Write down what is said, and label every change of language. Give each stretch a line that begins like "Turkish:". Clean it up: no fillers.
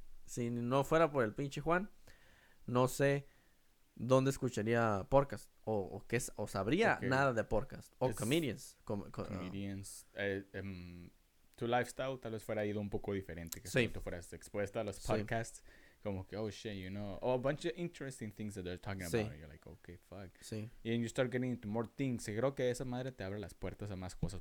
Spanish: Si no fuera por el pinche Juan, no sé dónde escucharía podcast. O qué es, o sabría okay. nada de podcast. O comedians.
English: Comedians.
Spanish: Tu lifestyle tal vez fuera ido un poco diferente. Que sí. Si tú fueras expuesta a los podcasts. Sí. Como que,
English: oh, shit, you know. Oh, a bunch of interesting things that they're talking
Spanish: sí.
English: about. You're like, okay, fuck.
Spanish: Sí. Y
English: then you start getting into more things.
Spanish: Y creo que esa madre te abre las puertas a más cosas.